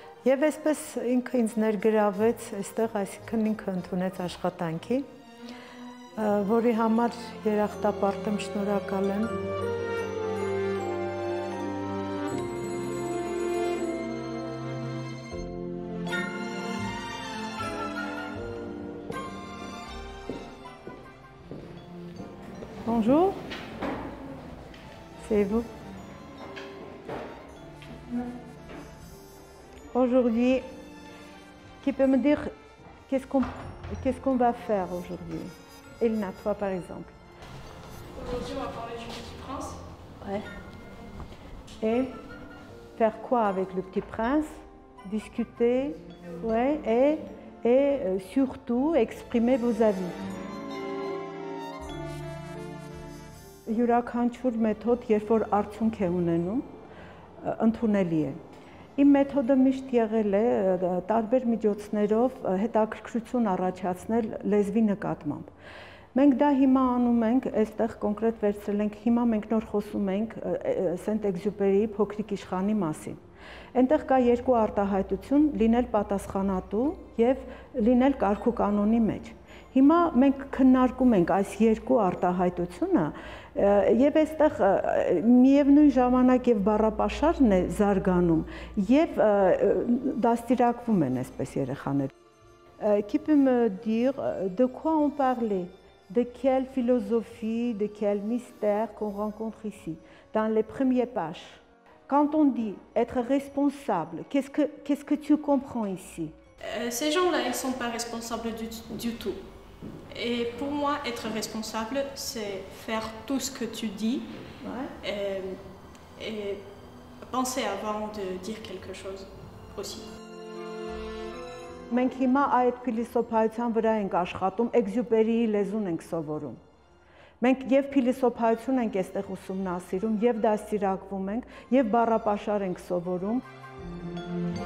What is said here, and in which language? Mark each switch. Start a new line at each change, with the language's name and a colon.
Armenian: և այսպես ինքը ինձ ներգրավեց այստեղ, այսինքն ինքը ընդունեց աշխատանքի, որի համար երախտապարտ եմ, շնորհակալ եմ։
French: Bonjour, c'est vous. Aujourd'hui, qui peut me dire qu'est-ce qu'on va faire aujourd'hui? Elina, toi par exemple. Aujourd'hui, on va parler du petit prince. Ouais. Et faire quoi avec le petit prince? Discuter, ouais, et surtout exprimer vos avis.
Armenian: Յուրաքանչյուր մեթոդ, երբ որ արդյունք է ունենում, ընդունելի է։ Իմ մեթոդը միշտ եղել է տարբեր միջոցներով հետաքրքրություն առաջացնել լեզվի նկատմամբ։ Մենք դա հիմա անում ենք, այստեղ կոնկրետ վերցրել ենք, հիմա մենք նոր խոսում ենք Սենտ-Էքզյուպերիի փոքրիկ իշխանի մասին։ Այնտեղ կա երկու արտահայտություն՝ լինել պատասխանատու և լինել կարգու կանոնի մեջ։ Հիմա մենք քննարկում ենք այս երկու արտահայտությունը, և այստեղ միևնույն ժամանակ և բառապաշարն է զարգանում, և դաստիարակվում են այսպես երեխաները։
French: Qui peut me dire de quoi on parlait, de quelle philosophie, de quel mystère qu'on rencontre ici dans les premières pages? Quand on dit être responsable, qu'est-ce que tu comprends ici? Ces gens-là, ils sont pas responsables du tout. Et pour moi, être responsable, c'est faire tout ce que tu dis, ouais. et penser avant de dire quelque chose aussi.
Armenian: Մենք հիմա այդ փիլիսոփայության վրա ենք աշխատում, Էքզյուպերիի լեզուն ենք սովորում։ Մենք և փիլիսոփայություն ենք այստեղ ուսումնասիրում, և դաստիարակվում ենք, և բառապաշար ենք սովորում։